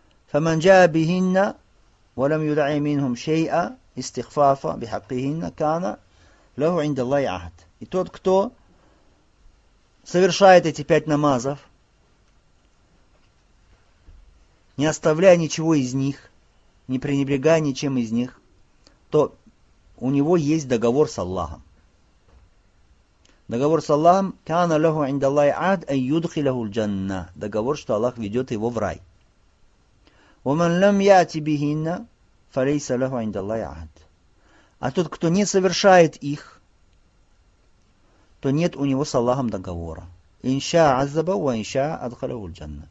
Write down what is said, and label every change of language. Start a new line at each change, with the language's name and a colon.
Arabic: «Фаман джаа бихинна». وَلَمْ يُدْعِي مِنْهُمْ شَيْئًا إِسْتِخْفَافًا بِحَقِّهِنَّ كَانَ لَهُ عِنْدَ اللَّهِ عَهْدٌ.
Russian: И тот, кто совершает эти пять намазов, не оставляя ничего из них, не пренебрегая ничем из них, то у него есть договор с Аллахом. Договор с Аллахом
Arabic: كَانَ لَهُ عِنْدَ اللَّهِ عَهْدٌ أَنْ يُدْخِلَهُ الْجَنَّةِ.
Russian: Договор, что Аллах ведет его в рай.
Arabic: وَمَنْ لَمْ يَعْتِ بِهِنَّ فَلَيْسَ لَهُ عِنْدَ اللَّهِ عَهْدٌ.
Russian: А тот, кто не совершает их, то нет у него с Аллахом договора.
Arabic: إِنْ شَاءَ عَذَّبَهُ وَإِنْ شَاءَ أَدْخَلَهُ الْجَنَّةَ.